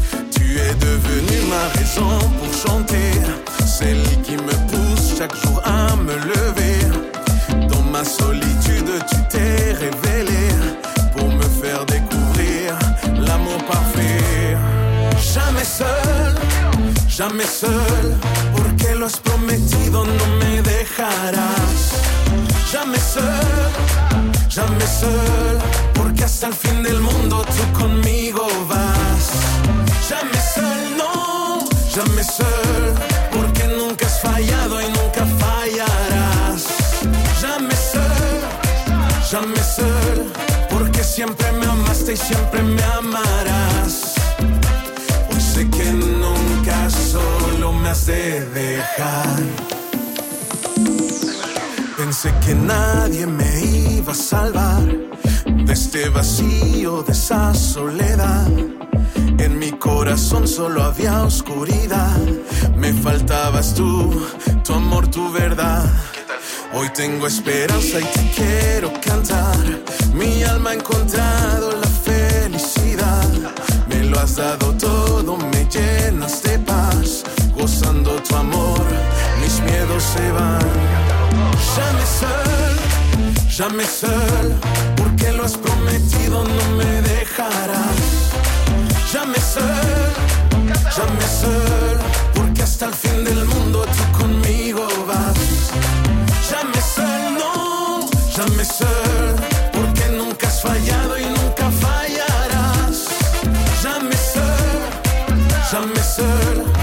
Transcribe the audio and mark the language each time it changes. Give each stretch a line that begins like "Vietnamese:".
French: Tu es devenu ma raison pour chanter. Celle qui me pousse chaque jour à me lever. Dans ma solitude, tu t'es révélé. Pour me faire découvrir l'amour parfait. Jamais seul, jamais seul.
Spanish: Porque lo has prometido, no me dejarás.
French: Jamais seul, jamais seul.
Spanish: Porque hasta el fin del mundo tú conmigo vas.
French: Jamais seul, no, jamais seul.
Spanish: Porque nunca has fallado y nunca fallarás.
French: Jamais seul, jamais seul.
Spanish: Porque siempre me amaste y siempre me amarás. Hoy sé que nunca solo me has de dejar. Pensé que nadie me iba a salvar de este vacío, de esa soledad. En mi corazón solo había oscuridad. Me faltabas tú, tu amor, tu verdad. Hoy tengo esperanza y te quiero cantar. Mi alma ha encontrado la felicidad. Me lo has dado todo, me llenas de paz. Gozando tu amor, mis miedos se van.
French: Jamais seul, jamais seul.
Spanish: Porque lo has prometido, no me dejarás.
French: Jamais seul, jamais seul.
Spanish: Porque hasta el fin del mundo tú conmigo vas.
French: Jamais seul, no, jamais seul.
Spanish: Porque nunca has fallado y nunca fallarás.
French: Jamais seul, jamais seul.